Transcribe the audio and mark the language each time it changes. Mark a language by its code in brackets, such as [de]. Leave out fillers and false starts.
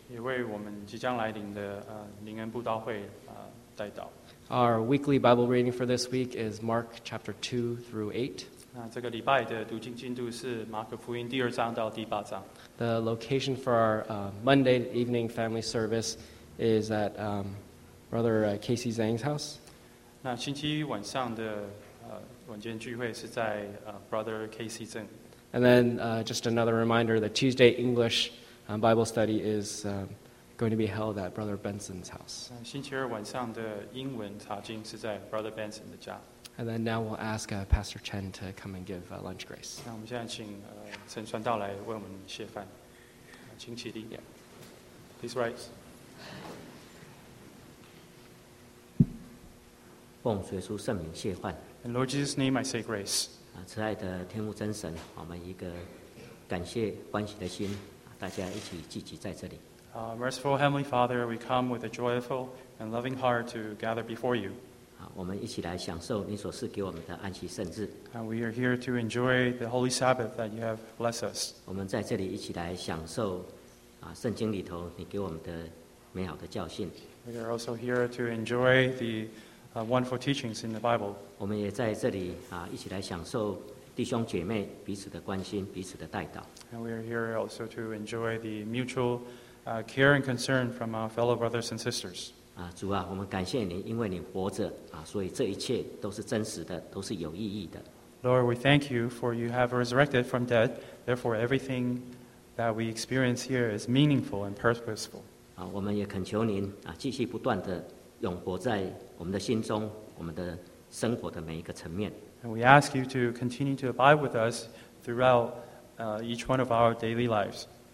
[zh] 也为我们即将来临的灵恩布道会代祷。 [en] Our weekly Bible reading for this week is Mark chapter 2 through 8. [zh] 那这个礼拜的读经进度是马可福音第二章到第八章。 [en] The location for our Monday evening family service is at Brother Casey Zhang's house. [zh] 那星期一晚上的 晚间聚会是在 Brother KC Zeng. [en] And then just another reminder, the Tuesday English Bible study is going to be held at Brother Benson's house. [zh] 星期二晚上的英文查经是在 Brother Benson的家. [en] And then now we'll ask Pastor Chen to come and give lunch grace. [zh] 那我们现在请 陈传道来为我们谢饭. 请起立. [en] Yeah. Please rise. [zh] 奉耶稣圣名谢饭. [en] In Lord Jesus' name, I say grace. [zh] 慈爱的天父真神, 我们一个感谢欢喜的心, 大家一起聚集在这里。 [en] Merciful Heavenly Father, we come with a joyful and loving heart to gather before you. [zh] 我们一起来享受你所赐给我们的安息圣日。 [en] We are here to enjoy the Holy Sabbath that you have blessed us. [zh] 我们在这里一起来享受, 圣经里头你给我们的美好的教训。 [en] We are also here to enjoy the wonderful teachings in the Bible. [zh] 我们也在这里, 一起来享受弟兄姐妹彼此的关心, 彼此的带导。 [en] And we are here also to enjoy the mutual care and concern from our fellow brothers and sisters. [zh] 主啊, 我们感谢你, 因为你活着, 所以这一切都是真实的, 都是有意义的。 [en] Lord, we thank you for you have resurrected from death, therefore everything that we experience here is meaningful and purposeful. [zh] 我们也恳求您, 继续不断地 永活在我们的心中, 我们的生活的每一个层面。 [en] And we ask you to continue to abide with us throughout each one of our daily lives.